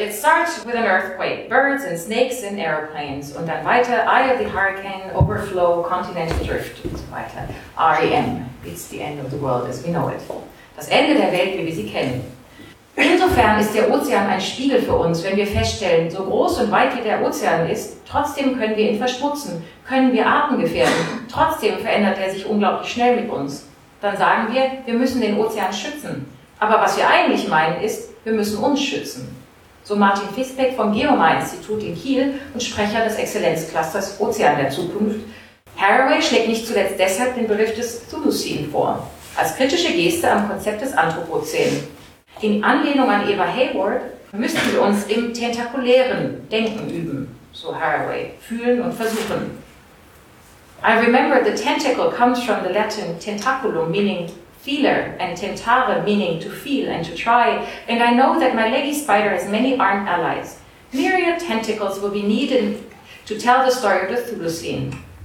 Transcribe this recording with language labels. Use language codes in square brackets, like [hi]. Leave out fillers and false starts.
[en] It starts with an earthquake, birds and snakes and airplanes. [de] Und dann weiter, Eye of the Hurricane, Overflow, Continental Drift und so weiter. [en] R.E.M. It's the end of the world as we know it. [de] Das Ende der Welt, wie wir sie kennen. Insofern ist der Ozean ein Spiegel für uns, wenn wir feststellen, so groß und weit wie der Ozean ist, trotzdem können wir ihn verschmutzen, können wir Arten gefährden, trotzdem verändert er sich unglaublich schnell mit uns. Dann sagen wir müssen den Ozean schützen. Aber was wir eigentlich meinen ist, wir müssen uns schützen. So Martin Fisbeck vom Geomar-Institut in Kiel und Sprecher des Exzellenzclusters Ozean der Zukunft. Haraway schlägt nicht zuletzt deshalb den Begriff des Thuluscene vor, als kritische Geste am Konzept des Anthropozän. In Anlehnung an Eva Hayward müssen wir uns im tentakulären Denken üben, so Haraway, fühlen und versuchen. [en] I remember the tentacle comes from the Latin tentaculum, meaning feeler, and tentare, meaning to feel and to try, and I know that my leggy spider has many armed allies. Myriad tentacles will be needed to tell the story of the Thulusine.